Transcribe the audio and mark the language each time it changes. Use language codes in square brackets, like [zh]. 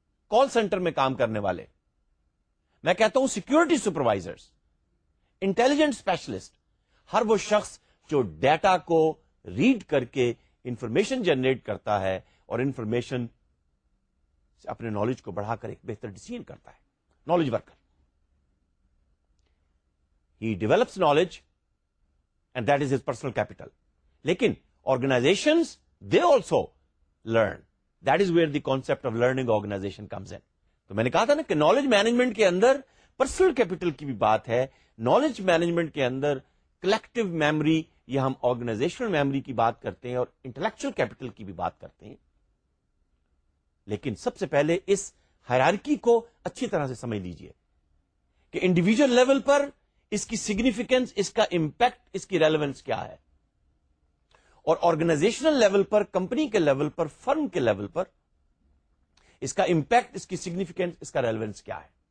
[ur] Call centre میں کام کرنے والے, میں کہتا ہوں سیکیورٹی سپروائزرز, انٹیلیجنٹ اسپیشلسٹ, ہر وہ شخص جو ڈیٹا کو ریڈ کر کے انفارمیشن جنریٹ کرتا ہے اور انفارمیشن سے اپنے نالج کو بڑھا کر ایک بہتر ڈیسیژن کرتا ہے, knowledge worker. [en] He develops knowledge and that is his personal capital. لیکن organisations they also learn. That is where the concept of learning organization comes in. [ur] تو میں نے کہا تھا نا کہ knowledge management کے اندر personal capital کی بھی بات ہے, knowledge management کے اندر collective memory, یا ہم organizational memory کی بات کرتے ہیں اور intellectual capital کی بھی بات کرتے ہیں. لیکن سب سے پہلے اس hierarchy کو اچھی طرح سے سمجھ لیجئے کہ individual level پر اس کی significance, اس کا impact, اس کی relevance کیا ہے, اور آرگنائزیشنل لیول پر, کمپنی کے لیول پر, فرم کے لیول پر اس کا امپیکٹ, اس کی سگنیفیکینس, اس کا ریلیونس کیا ہے.